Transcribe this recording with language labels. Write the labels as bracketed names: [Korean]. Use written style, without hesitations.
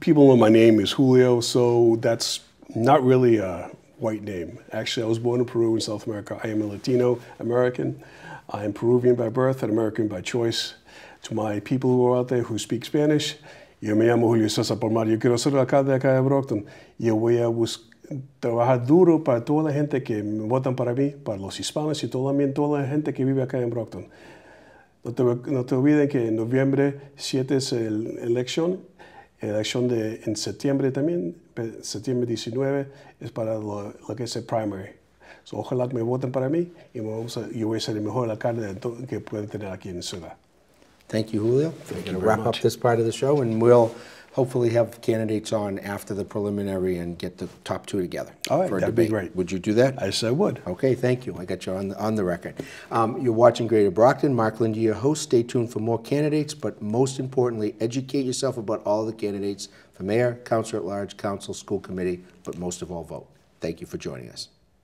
[English] People know my name is Julio, so that's not really a white name. Actually, I was born in Peru in South America. I am a Latino American. I am Peruvian by birth and American by choice. To my people who are out there who speak Spanish, [Spanish] yo me llamo Julio César Pomar. Yo quiero ser acá de acá de Brockton. Yo voy a trabajar duro para toda la gente que me votan para mí, para los hispanos y también toda la gente que vive acá en Brockton. No te olviden que en noviembre 7 es la elección. Elección de en septiembre también, septiembre 19 es para lo que es el primary. So ojalá que me voten para mí y yo voy a ser el mejor alcalde que pueden tener aquí en la ciudad. [English] Thank you, Julio. We're going to wrap up this part of the show, and we'll hopefully have candidates on after the preliminary and get the top two together. All right, that'd be great. Would you do that? I said I would. Okay, thank you. I got you on the record. You're watching Greater Brockton. Mark Lindy, your host. Stay tuned for more candidates, but most importantly, educate yourself about all the candidates for mayor, councilor at large, council, school committee, but most of all, vote. Thank you for joining us.